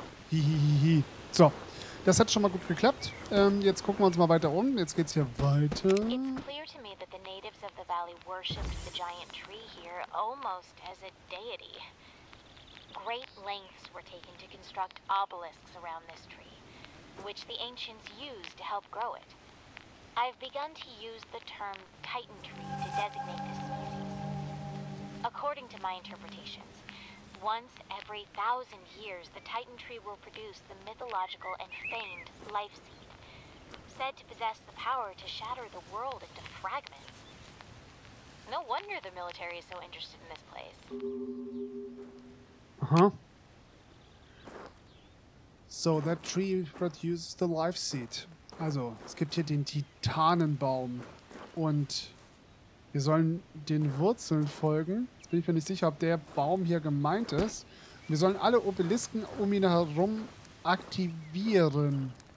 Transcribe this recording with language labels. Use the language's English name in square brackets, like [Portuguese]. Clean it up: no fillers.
[German] Hihihihi. So, das hat schon mal gut geklappt. Jetzt gucken wir uns mal weiter um. Jetzt geht's hier weiter. [English] It's clear to me that the natives of the valley worshipped the giant tree here almost as a deity. Great lengths were taken to construct obelisks around this tree, which the ancients used to help grow it. I've begun to use the term Titan tree to designate this species. According to my interpretations, once every 1,000 years, the Titan tree will produce the mythological and famed life seed, said to possess the power to shatter the world into fragments. No wonder the military is so interested in this place. Huh? So that tree produces the life seed. [German] Also, es gibt hier den Titanenbaum und wir sollen den Wurzeln folgen. Jetzt bin ich mir nicht sicher, ob der Baum hier gemeint ist. Wir sollen alle Obelisken um ihn herum aktivieren.